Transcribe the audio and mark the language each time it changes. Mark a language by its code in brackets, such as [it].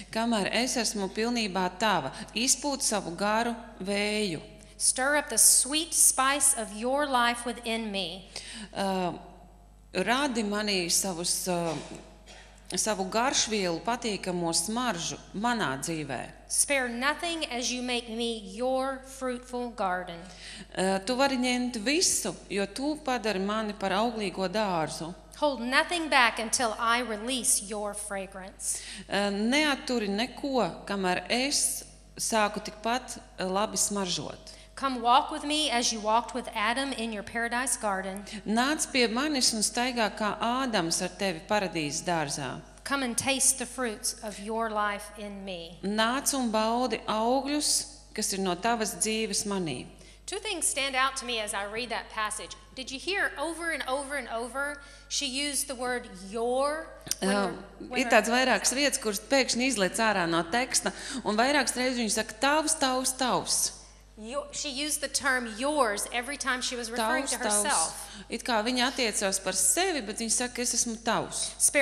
[lv] Kamēr es esmu pilnībā tava, izpūt savu garu vēju. [en] Stir up the sweet spice of your life within me. [lv] Radi manī savus savu garšvielu patīkamo smaržu manā dzīvē. [en] Spare nothing as you make me your fruitful garden. [lv] Tu vari ņemt visu, jo tu padari mani par auglīgo dārzu. [en] Hold nothing back until I release your fragrance. [lv] Neaturi neko, kamēr es sāku tikpat labi smaržot. [en] Come walk with me as you walked with Adam in your paradise garden. [lv] Nāc pie manis un staigā kā Ādams ar tevi paradīzes dārzā. [en] Come and taste the fruits of your life in me. [lv] Nāc un baudi augļus, kas ir no tavas dzīves manī. [en] Two things stand out to me as I read that passage. Did you hear over and over and over she used the word your? [lv] Ir tāds vairākas vietas, kuras pēkšņi izliec ārā no teksta, un vairākas reizes viņa saka tavs, tavs, tavs. [en] You, she used the term yours every time she was referring [lv] tavs, [en] to herself. [lv] It kā viņa attiecās par sevi, bet viņa saka, es esmu tavs.